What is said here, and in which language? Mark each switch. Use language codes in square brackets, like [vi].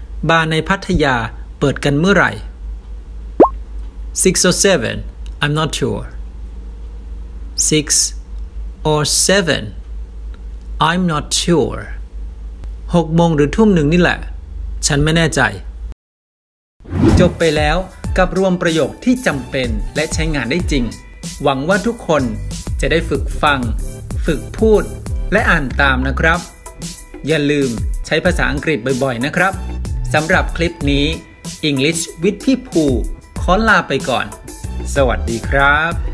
[th] บาร์ในพัทยาเปิดกันเมื่อไหร่ [en] 6 or 7 I'm not sure 6 or 7 I'm not sure [th] 6 โมงหรือทุ่มหนึ่งนี่แหละฉันไม่แน่ใจ จบไปแล้วกับรวมประโยคที่จำเป็นและใช้งานได้จริงหวังว่าทุกคนจะได้ฝึกฟังฝึกพูดและอ่านตามนะครับอย่าลืมใช้ภาษาอังกฤษบ่อยๆนะครับสำหรับคลิปนี้ English with พี่ภูขอลาไปก่อนสวัสดีครับ